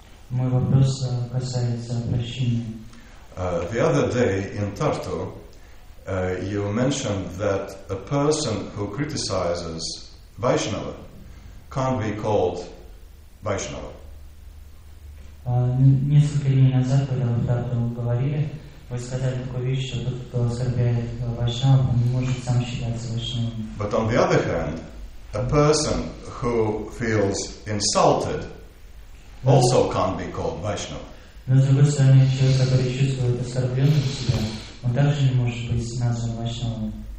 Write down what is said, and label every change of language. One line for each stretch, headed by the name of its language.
Russian: Мой вопрос касается прощения.
English: The other day in Tartu, you mentioned that a person who criticizes Vaishnava can't be called Vaishnava.
Russian: Несколько дней назад, когда вы об этом говорили, вы сказали такую вещь, что тот, кто оскорбляет Вайшнава, он не может сам считаться Вайшнавом.
English: But on the other hand, a person who feels insulted also can't be called Vaishnava.
Russian: Но с другой стороны, человек, который чувствует оскорбленность себя, он также не может быть назван Вайшнавом.